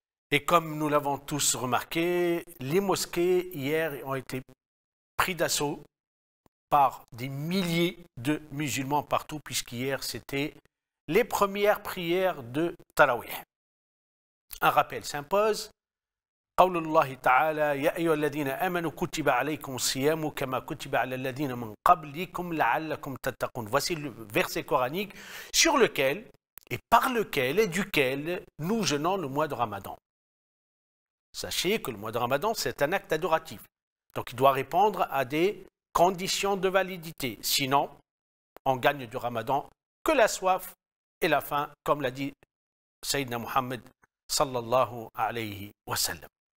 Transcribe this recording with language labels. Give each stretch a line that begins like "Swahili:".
French: Et comme nous l'avons tous remarqué, les mosquées hier ont été pris d'assaut par des milliers de musulmans partout, puisqu'hier c'était les premières prières de Tarawih. Un rappel s'impose.
Arabic: قول الله تعالى يا أيها الذين آمنوا كتب عليكم الصيام كما كتب على الذين من قبلكم لعلكم تتقون.
French: Voici le verset coranique sur lequel et par lequel et duquel nous jeûnons le mois de Ramadan. Sachez que le mois de Ramadan c'est un acte adoratif, donc il doit répondre à des conditions de validité. Sinon, on gagne du Ramadan que la soif et la faim, comme l'a dit Sayyidina Muhammad
Arabic: sallallahu alayhi wa sallam.